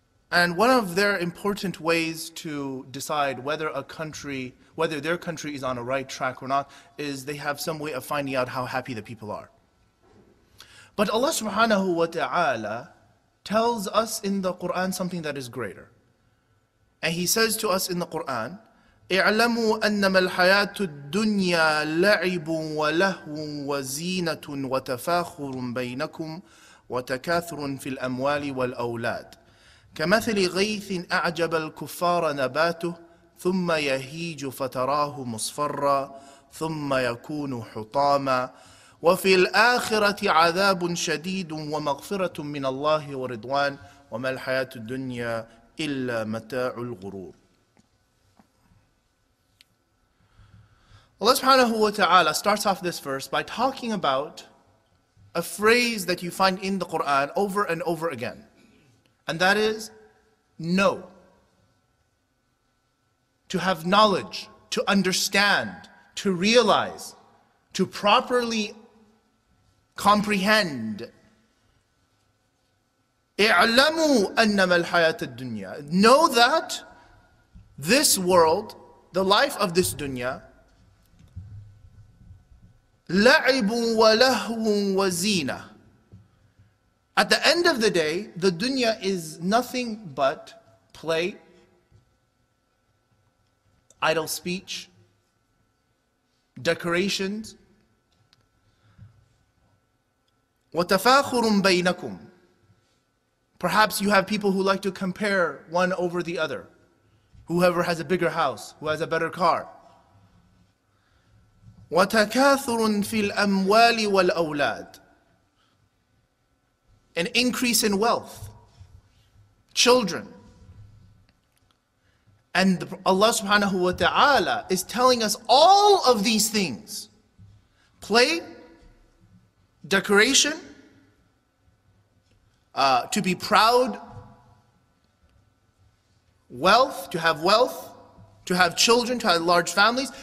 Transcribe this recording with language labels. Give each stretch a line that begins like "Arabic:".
English: And one of their important ways to decide whether a country, whether their country is on a right track or not, is they have some way of finding out how happy the people are. But Allah subhanahu wa ta'ala tells us in the Quran something that is greater. And He says to us in the Quran,
Arabic: اعلموا أنما الحياة الدنيا لعب ولهو وزينة وتفاخر بينكم وتكاثر في الأموال والأولاد كمثل غيث أعجب الكفار نباته ثم يهيج فتراه مصفرا ثم يكون حطاما وفي الآخرة عذاب شديد ومغفرة من الله ورضوان وما الحياة الدنيا إلا متاع الغرور.
English: Allah subhanahu wa ta'ala starts off this verse by talking about a phrase that you find in the Quran over and over again. And that is, know. To have knowledge, to understand, to realize, to properly comprehend.
Arabic: اعلموا أنما الحياة الدنيا.
English: Know that this world, the life of this dunya,
Arabic: لعب ولهو وزينة.
English: At the end of the day, the dunya is nothing but play, idle speech, decorations.
Arabic: وتفاخر بينكم.
English: Perhaps you have people who like to compare one over the other. Whoever has a bigger house, who has a better car.
Arabic: وتكاثر في الأموال والأولاد.
English: An increase in wealth, children. And Allah subhanahu wa ta'ala is telling us all of these things. Play, decoration, to be proud, wealth, to have children, to have large families.